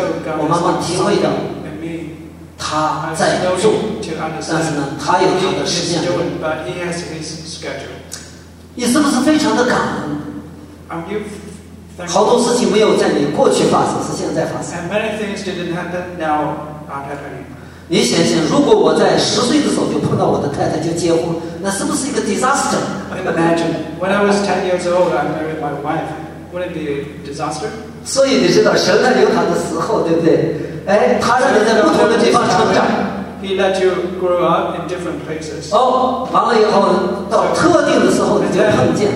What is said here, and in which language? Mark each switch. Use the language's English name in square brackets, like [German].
[Chinese] 但是我知道神在我身上做过一些事情，我慢慢体会到， 他在做， 但是呢, 他有他的时间， [English] but he has his schedule. [Chinese] 你是不是非常的感恩？ [English] Are you [Chinese] 好多事情没有在你过去发生，是现在发生。 [English] And many things didn't happen now aren't happening. [Chinese] 你想想，如果我在10岁的时候就碰到我的太太就结婚， 那是不是一个 disaster？ [English] Imagine when I was 10 years old, I married my wife. Would it be a disaster? [Chinese] 所以你知道，神在留他的时候，对不对？哎，他让你在不同的地方成长。 [English] He let you grow up in different places. [Chinese] 哦，完了以后到特定的时候你就碰见。